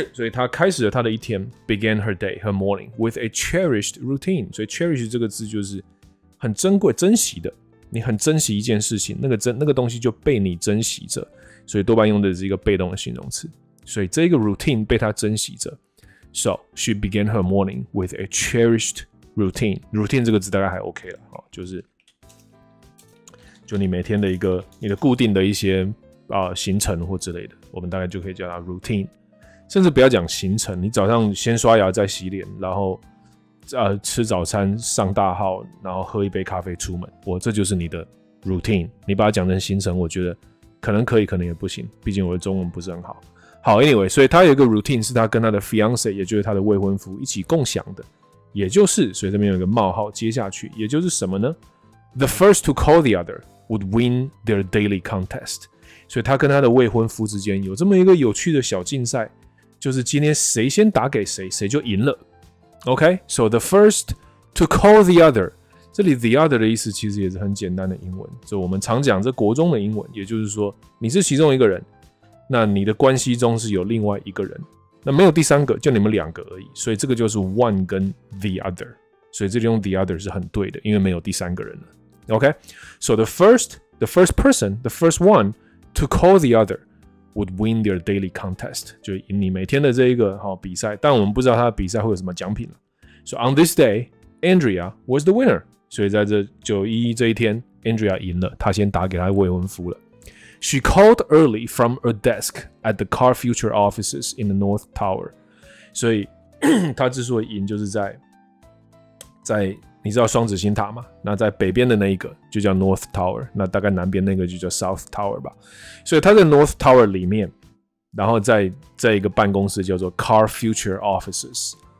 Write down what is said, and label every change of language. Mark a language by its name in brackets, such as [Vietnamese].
[Chinese] 所以她开始了她的一天 [English] ，began her day， her morning with a cherished routine。 [Chinese] 所以 cherish 这个字就是很珍贵、珍惜的，你很珍惜一件事情，那个东西就被你珍惜着，所以多半用的是一个被动的形容词。所以这个 routine 被她珍惜着 ， [English] so she began her morning with a cherished routine [Chinese] 这个字大概还 OK 了，就你每天的一个你的固定的一些、行程或之类的，我们大概就可以叫它 routine。甚至不要讲行程，你早上先刷牙再洗脸，然后、吃早餐上大号，然后喝一杯咖啡出门，我这就是你的 routine。你把它讲成行程，我觉得可能可以，可能也不行，毕竟我的中文不是很好。好 ，anyway， 所以他有一个 routine 是他跟他的 fiance， 也就是他的未婚夫一起共享的。也就是，所以这边有一个冒号接下去，也就是什么呢 ？ [English] The first to call the other would win their daily contest。 [Chinese] 所以他跟他的未婚夫之间有这么一个有趣的小竞赛，就是今天谁先打给谁，谁就赢了。 [English] OK， so the first to call the other， [Chinese] 这里 the other 的意思其实也是很简单的英文，就我们常讲这国中的英文，也就是说你是其中一个人，那你的关系中是有另外一个人。那没有第三个，就你们两个而已，所以这个就是 one 跟 the other， 所以这里用 the other 是很对的，因为没有第三个人了。 [English] OK， so the first one to call the other would win their daily contest， [Chinese] 就赢你每天的这一个好比赛，但我们不知道他的比赛会有什么奖品了。 [English] So on this day, Andrea was the winner， [Chinese] 所以在这911这一天 ，Andrea 赢了，她先打给她未婚夫了。 [English] She called early from a desk at the Car Future offices in the North Tower. [Chinese] 所以她之所以赢，就是在你知道双子星塔吗？那在北边的那一个就叫 North Tower， 那大概南边那个就叫 South Tower 吧。所以她在 North Tower 里面，然后在一个办公室叫做 Car Future offices。